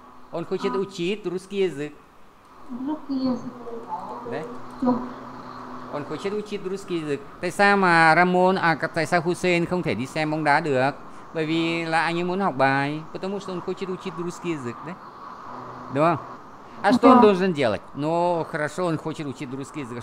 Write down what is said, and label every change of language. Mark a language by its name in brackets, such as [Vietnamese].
[Russian] Он хочет учить русский язык. Да? Он хочет учить русский язык. [Vietnamese] Tại sao mà Ramon, tại sao Hussein không thể đi xem bóng đá được? Bởi vì là anh ấy muốn học bài. [Russian] Потому что он хочет учить русский язык, да? [Vietnamese] Đúng không? [Russian] А что он должен делать? Ну, хорошо, он хочет учить русский язык.